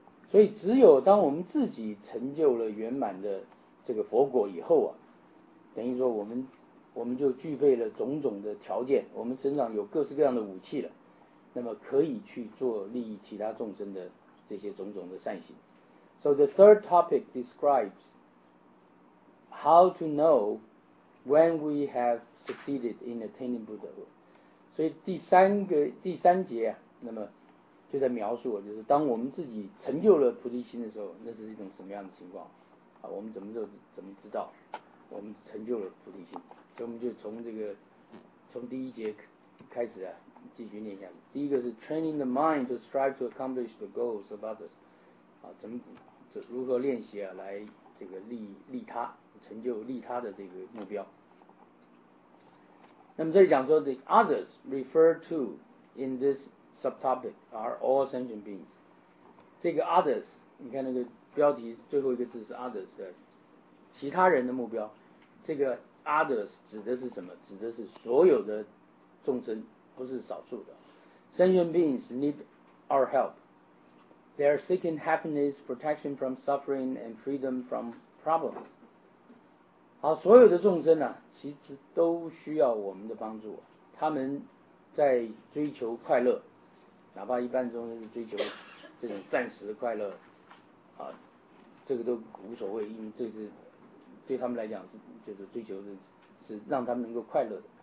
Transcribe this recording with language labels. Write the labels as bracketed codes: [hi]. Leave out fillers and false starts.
[zh] 所以只有当我们自己成就了圆满的这个佛果以后啊，等于说我们就具备了种种的条件，我们身上有各式各样的武器了，那么可以去做利益其他众生的这些种种的善行。 [en] So the third topic describes how to know when we have succeeded in attaining Buddhahood. [zh] 所以第三节啊，那么就在描述，就是当我们自己成就了菩提心的时候，那是一种什么样的情况啊？我们怎么知道我们成就了菩提心？所以我们就从第一节开始啊，继续念下去。第一个是 [en] training the mind to strive to accomplish the goals of others [zh] 啊，如何练习啊，来这个利他，成就利他的这个目标。那么这里讲说 [en] the others referred to in this. Subtopic are all sentient beings. [zh] 这个 others, 你看那个标题最后一个字是 others, 其他人的目标。这个 others 指的是什么？指的是所有的众生，不是少数的。 [en] Sentient beings need our help. They are seeking happiness, protection from suffering, and freedom from problems. [zh] 好，所有的众生呢、啊，其实都需要我们的帮助。他们在追求快乐。哪怕一般中是追求这种暂时的快乐啊，这个都无所谓，因为这是对他们来讲就是追求的是让他们能够快乐的。